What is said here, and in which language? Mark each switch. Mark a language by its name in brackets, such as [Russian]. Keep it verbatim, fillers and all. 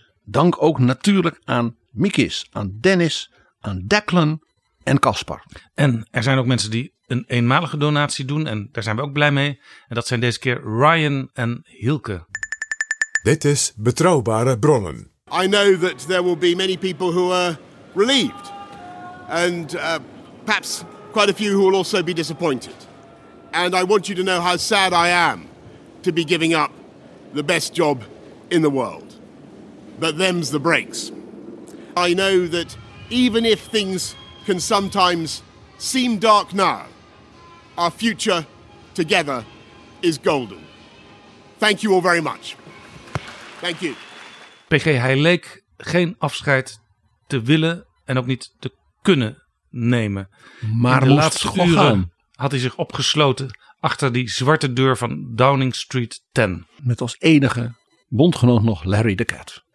[Dutch] Dank ook natuurlijk aan Mikis, aan Dennis, aan Declan en Caspar. En er zijn ook mensen die een eenmalige donatie doen en daar zijn we ook blij mee. En dat zijn deze keer Ryan en Hilke. Dit is Betrouwbare Bronnen. [English] I know that there will be many people who are relieved. And uh, perhaps quite a few who will also be disappointed. And I want you to know how sad I am to be giving up the best job in the world. But them's the breaks. I know that even if things can sometimes seem dark now, our future together is golden. Thank you all very much. Thank you. [Dutch] P G, hij leek geen afscheid te willen en ook niet te kunnen nemen. Maar in de laatste uren had hij zich opgesloten achter die zwarte deur van Downing Street tien. Met als enige bondgenoot nog Larry de Cat.